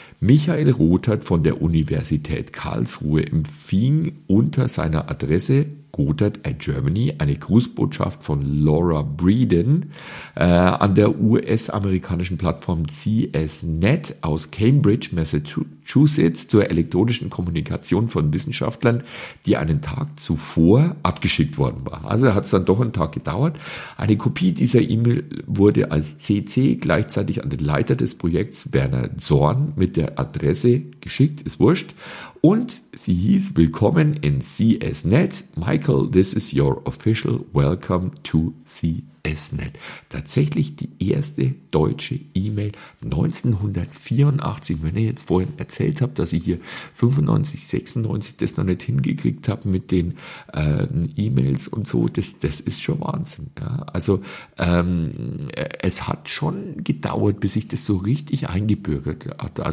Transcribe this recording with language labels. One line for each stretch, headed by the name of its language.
German: Michael Rothart von der Universität Karlsruhe empfing unter seiner Adresse Rothart at Germany eine Grußbotschaft von Laura Breeden an der US-amerikanischen Plattform CSNet aus Cambridge, Massachusetts zur elektronischen Kommunikation von Wissenschaftlern, die einen Tag zuvor abgeschickt worden war. Also hat es dann doch einen Tag gedauert. Eine Kopie dieser E-Mail wurde als CC gleichzeitig an den Leiter des Projekts Werner Zorn mit der Adresse geschickt, ist wurscht. Und sie hieß, willkommen in CSNet.
English: Michael, this is your official welcome to CSNet.
German: Tatsächlich die erste deutsche E-Mail 1984. Wenn ihr jetzt vorhin erzählt habt, dass ich hier 95, 96 das noch nicht hingekriegt habe mit den E-Mails und so, das ist schon Wahnsinn. Ja? Also es hat schon gedauert, bis ich das so richtig eingebürgert hatte.